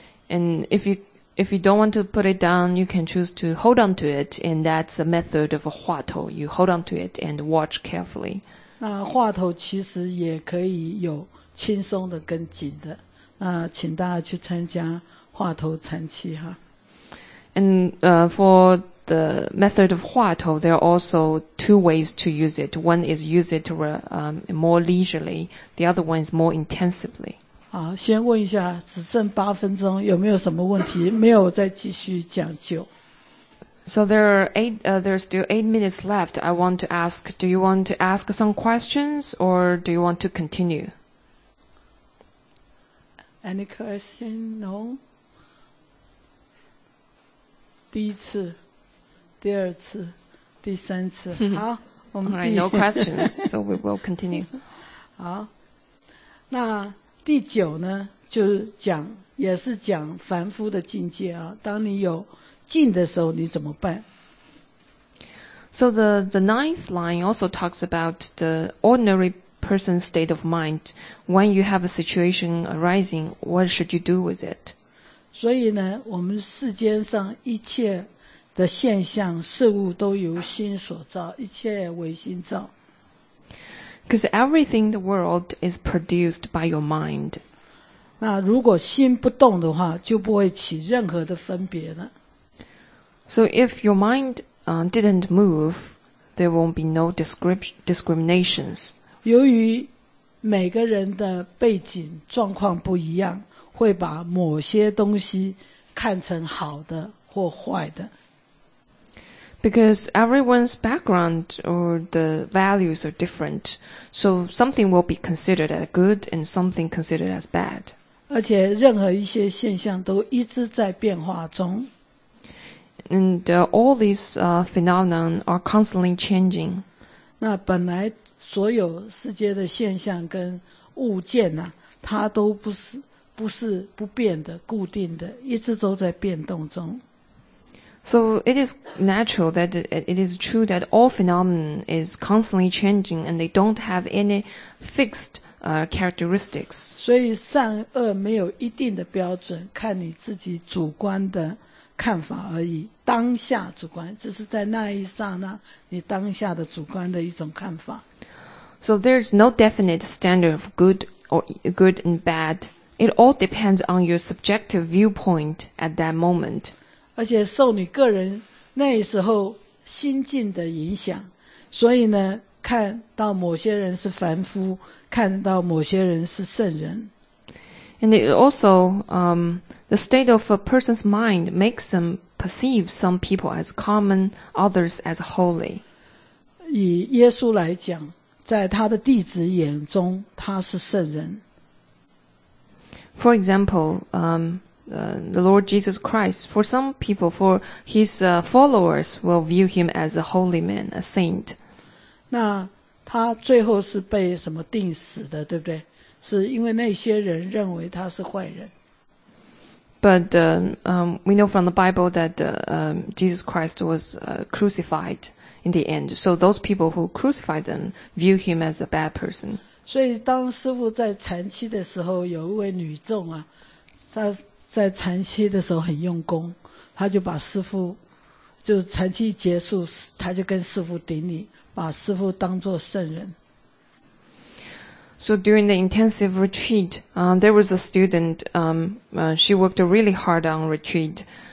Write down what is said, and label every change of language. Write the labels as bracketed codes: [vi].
[en] And if you don't want to put it down, you can choose to hold on to it, and that's a method of a 话头. You hold on to it and watch carefully. [zh] 那话头其实也可以有轻松的跟紧的。那请大家去参加话头禅期哈。 [en] And for the method of 话头, there are also two ways to use it. One is use it more leisurely. The other one is more intensively. [zh] 好，先问一下，只剩八分钟，有没有什么问题？没有，再继续讲究。 [en] So there are still 8 minutes left. I want to ask, do you want to ask some questions or do you want to continue? Any question? No. [zh] 第一次，第二次，第三次。好，我们第。 [en] All right, no questions. So we will continue. [zh] 好，那第九呢，就是讲，也是讲凡夫的境界啊。当你有境的时候，你怎么办？ [en] So the ninth line also talks about the ordinary. Person's state of mind. When you have a situation arising, what should you do with it? [zh] 所以呢，我们世间上一切的现象事物都由心所造，一切为心造。 [en] Because everything in the world is produced by your mind. [zh] 那如果心不动的话，就不会起任何的分别了。 [en] So if your mind didn't move, there won't be no discriminations. [zh] 由于每个人的背景状况不一样，会把某些东西看成好的或坏的。 [en] Because everyone's background or the values are different, so something will be considered as good and something considered as bad. [zh] 而且任何一些现象都一直在变化中。 [en] And all these phenomena are constantly changing. [zh] 那本来所有世界的现象跟物件啊，它都不是不变的、固定的，一直都在变动中。 [en] So it is natural that it is true that all phenomena is constantly changing and they don't have any fixed characteristics. [zh] 所以善恶没有一定的标准，看你自己主观的看法而已。当下主观，这是在那一刹那你当下的主观的一种看法。 [en] So there's no definite standard of good and bad. It all depends on your subjective viewpoint at that moment. [zh] 而且受你个人那时候心境的影响，所以呢，看到某些人是凡夫，看到某些人是圣人。 [en] And it also, the state of a person's mind makes them perceive some people as common, others as holy. [zh] 以耶稣来讲，在他的弟子眼中，他是圣人。 [en] For example, the Lord Jesus Christ, for some people, for his followers, will view him as a holy man, a saint. [zh] 那他最后是被什么钉死的，对不对？是因为那些人认为他是坏人。 [en] But we know from the Bible that Jesus Christ was crucified in the end. So those people who crucified them view him as a bad person. [zh] 所以当师父在禅期的时候，有一位女众啊，她在禅期的时候很用功，她就把师父，就禅期结束，她就跟师父顶礼，把师父当作圣人。 [en] So during the intensive retreat, there was a student, she worked really hard on retreat.